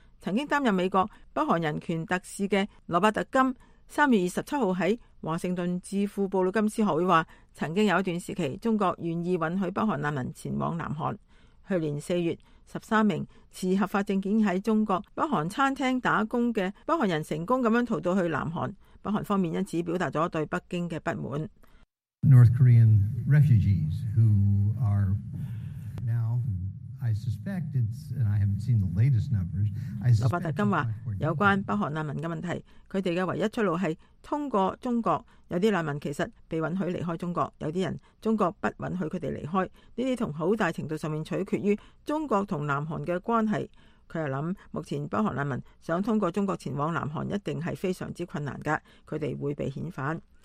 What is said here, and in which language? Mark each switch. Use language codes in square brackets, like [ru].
[zh] 曾经担任美国北韩人权特使的罗伯特金3月27号在华盛顿智库布鲁金斯学会说，曾经有一段时期中国愿意允许北韩难民前往南韩。去年4月13名持合法证件在中国北韩餐厅打工的北韩人成功地逃到去南韩，北韩方面因此表达了对北京的不满。 [en] North Korean refugees who are now, I suspect it's, and I haven't seen the latest numbers. [zh] 罗伯特金话，有关北韩难民的问题，他们的唯一出路是通过中国。有些难民其实被允许离开中国，有些人中国不允许他们离开，这些从很大程度上面取决于中国和南韩的关系。他又想，目前北韩难民想通过中国前往南韩一定是非常之困难的，他们会被遣返。